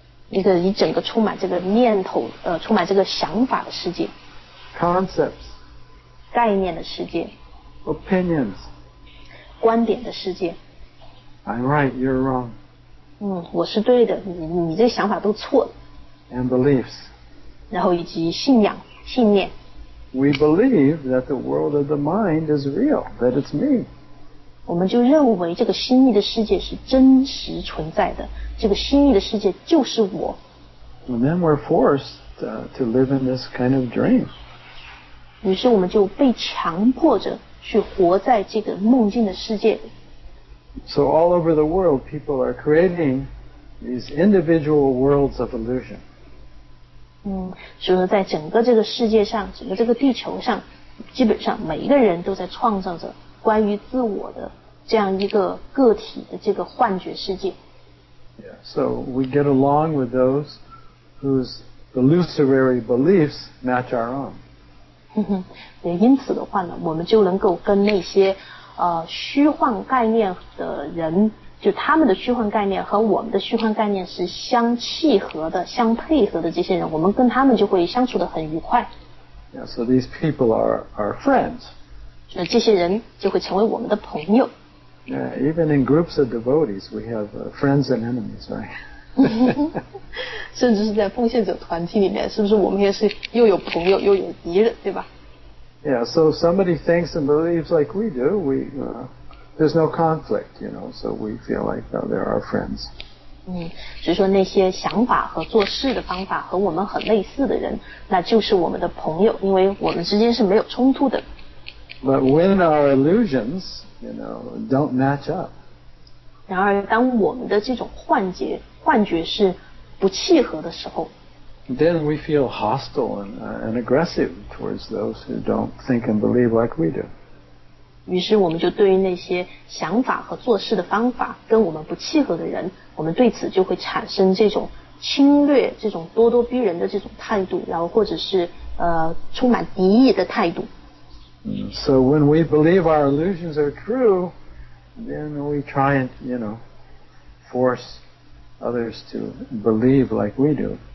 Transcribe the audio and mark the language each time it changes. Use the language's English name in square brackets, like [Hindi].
[Chinese] 一个一整个充满这个念头充满这个想法的世界。 [English] Concepts [Chinese] 概念的世界。 [English] Opinions [Chinese] 观点的世界。 [English] I'm right, you're wrong. [Chinese] 我是对的， 你这想法都错了。 [English] And beliefs [Chinese] 然后以及信仰信念。 [English] We believe that the world of the mind is real, that it's me. [Chinese] 我们就认为这个心意的世界是真实存在的，这个心意的世界就是我。 [English] And then we're forced to live in this kind of dream. [Chinese] 于是我们就被强迫着去活在这个梦境的世界。 [English] So all over the world, people are creating these individual worlds of illusion. [Chinese] 所以说在整个这个世界上，整个这个地球上，基本上每一个人都在创造着关于自我的这样一个个体的这个幻觉世界。 [English] Yeah, so we get along with those whose illusory beliefs match our own. [Chinese] 也因此的话呢，我们就能够跟那些虚幻概念的人，就他们的虚幻概念和我们的虚幻概念是相契合的、相配合的这些人，我们跟他们就会相处得很愉快。 [English] Yeah, so these people are our friends. [Chinese] 这些人就会成为我们的朋友。 [English] Yeah, even in groups of devotees, we have friends and enemies, right? [Chinese] 甚至是在奉献者团体里面，是不是我们也是又有朋友又有敌人，对吧？ [English] Yeah, so somebody thinks and believes like we do, we, there's no conflict, you know, so we feel like they're our friends. [Chinese] 所以说那些想法和做事的方法和我们很类似的人，那就是我们的朋友，因为我们之间是没有冲突的。 [English] But when our illusions, you know, don't match up. [Chinese] 然而当我们的这种幻觉是不契合的时候， [English] Then we feel hostile and aggressive towards those who don't think and believe like we do. [Chinese] 于是我们就对于那些想法和做事的方法跟我们不契合的人，我们对此就会产生这种侵略、这种咄咄逼人的这种态度，然后或者是充满敌意的态度。 [English] So when we believe our illusions are true, then we try and, you know, force others to believe like we do.